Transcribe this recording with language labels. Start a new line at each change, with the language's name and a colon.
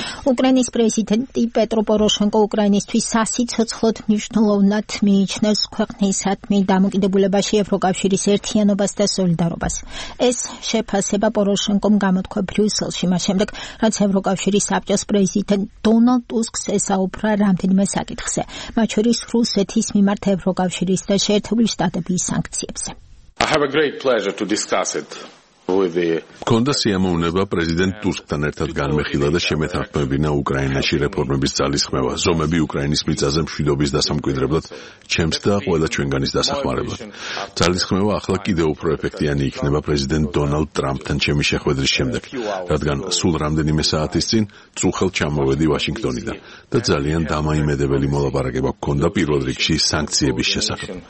Georgian: უკრაინის პრეზიდენტი პეტრო პოროშენკო უკრაინისთვის სასიცოცხლოდ მნიშვნელოვნად მიიჩნევს ქვეყნისათვის დამოკიდებულებაში ევროკავშირის ერთიანობას და სოლიდარობას. ეს შეფასება პოროშენკომ გამოთქვა ბრიუსელში მას შემდეგ, რაც ევროკავშირის საბჭოს პრეზიდენტ დონალდ ტუსკს ესაუბრა რამდენიმე საკითხზე, მათ შორის რუსეთის მიმართ ევროკავშირის და შეერთებული შტატების სანქციებზე.
English: I have a great pleasure to discuss it.
Georgian: მქონდა სიამოვნება პრეზიდენტ ტუსკთან ერთად განმეხილა და შემეთანხმებინა უკრაინაში რეფორმების ძალისხმევა, ზომები უკრაინის მიწაზე მშვიდობის დასამკვიდრებლად ჩემს და ყველა ჩვენგანის დასახმარებლად. ძალისხმევა ახლა კიდევ უფრო ეფექტიანი იქნება პრეზიდენტ დონალდ ტრამპთან ჩემი შეხვედრის შემდეგ, რადგან სულ რამდენიმე საათის წინ წუხელ ჩამოვედი ვაშინგტონიდან და ძალიან დამაიმედებელი მოლაპარაკება მქონდა პირველ რიგში სანქციების შესახებ.